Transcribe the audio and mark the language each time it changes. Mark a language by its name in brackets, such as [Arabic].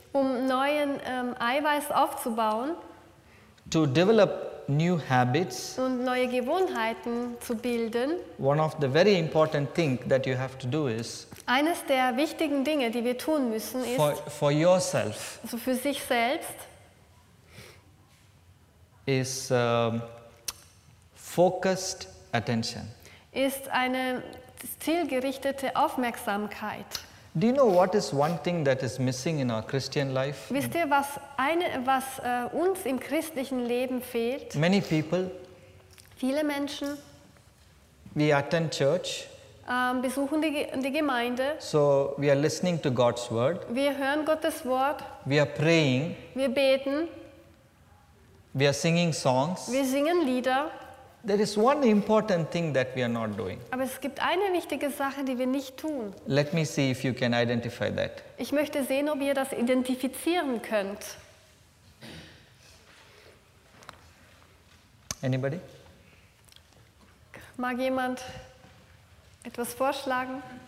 [German] Neuen Eiweiß aufzubauen. [English] To develop new habits. [German] Und neue Gewohnheiten zu bilden. [English] One of the very important things that you have to do is. [German] Eines der wichtigen Dinge, die wir tun müssen, ist. [English] For yourself. [German] Also für sich selbst. [English] Is focused attention. [German] Ist eine zielgerichtete Aufmerksamkeit. [English] Do you know what is one thing that is missing in our Christian life? [German] Wisst ihr, was uns im christlichen Leben fehlt? [English] Many people. [German] Viele Menschen. [English] We attend church. [German] Besuchen die Gemeinde. [English] So we are listening to God's word. [German] Wir hören Gottes Wort. [English] We are praying. [German] Wir beten. [English] We are singing songs. [German] Wir singen Lieder. [English] There is one important thing that we are not doing. [German] Aber es gibt eine wichtige Sache, die wir nicht tun. [English] Let me see if you can identify that. [German] Ich möchte sehen, ob ihr das identifizieren könnt. [English] Anybody? [German] Mag jemand etwas vorschlagen?